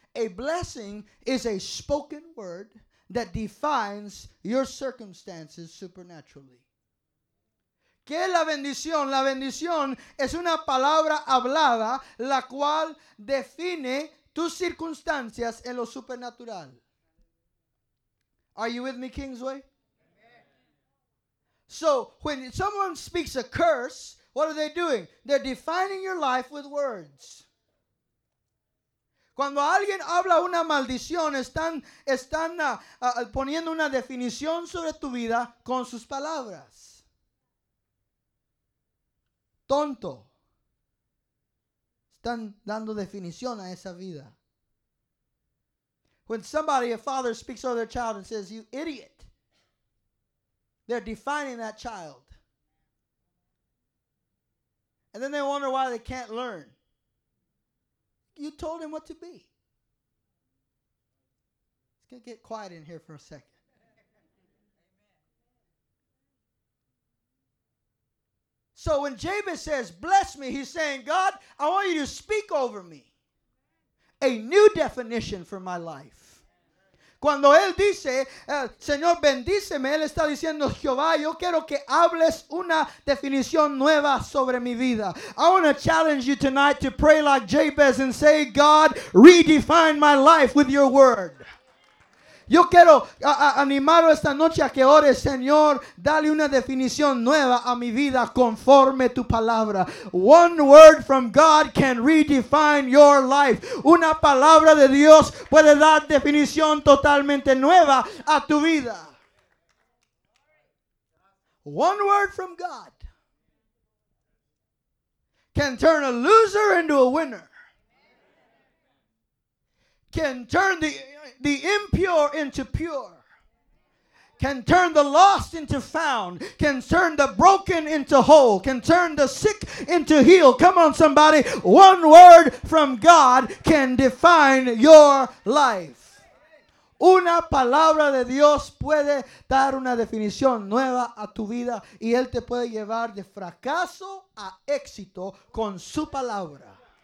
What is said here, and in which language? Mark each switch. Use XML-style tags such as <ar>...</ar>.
<en>A blessing is a spoken word that defines your circumstances supernaturally.</en> <es>¿Qué es la bendición? La bendición es una palabra hablada la cual define tus circunstancias en lo supernatural.</es> <en>Are you with me, Kingsway? So, when someone speaks a curse, what are they doing? They're defining your life with words.</en> <es>Cuando alguien habla una maldición, están poniendo una definición sobre tu vida con sus palabras. Tonto. Están dando definición a esa vida.</es> <en>When somebody, a father, speaks over their child and says, you idiot, they're defining that child. And then they wonder why they can't learn. You told him what to be. It's going to get quiet in here for a second. So when Jabez says, bless me, he's saying, God, I want you to speak over me a new definition for my life.</en> <es>Cuando él dice, Señor, bendíceme, él está diciendo, Jehová, yo quiero que hables una definición nueva sobre mi vida.</es> <en>I want to challenge you tonight to pray like Jabez and say, God, redefine my life with your word.</en> <es>Yo quiero animarlo esta noche a que ore, Señor, dale una definición nueva a mi vida conforme tu palabra.</es> <en>One word from God can redefine your life.</en> <es>Una palabra de Dios puede dar definición totalmente nueva a tu vida.</es> <en>One word from God. can turn a loser into a winner. Can turn the impure into pure. Can turn the lost into found. Can turn the broken into whole. Can turn the sick into healed. Come on, somebody. One word from God can define your life.</en> <es>Una palabra de Dios puede dar una definición nueva a tu vida. Y Él te puede llevar de fracaso a éxito con su palabra.</es>